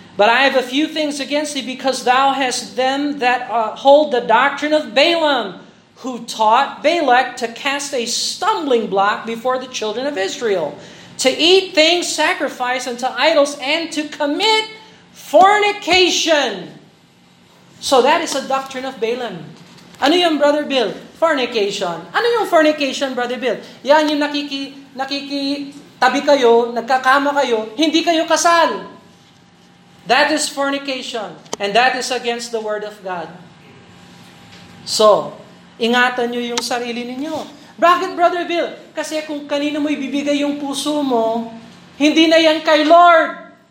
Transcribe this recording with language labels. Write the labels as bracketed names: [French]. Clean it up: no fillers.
[English] But I have a few things against thee, because thou hast them that hold the doctrine of Balaam, who taught Balak to cast a stumbling block before the children of Israel, to eat things sacrificed unto idols, and to commit fornication. So that is a doctrine of Balaam. [Filipino] Ano yung Brother Bill? Fornication. Ano yung fornication, Brother Bill? Yan yung nakikitabi kayo, nagkakama kayo, hindi kayo kasal. [English] That is fornication, and that is against the word of God. [Filipino] So, ingatan nyo yung sarili ninyo. Bakit, Brother Bill? Kasi kung kanino mo ibibigay yung puso mo, hindi na yan kay Lord.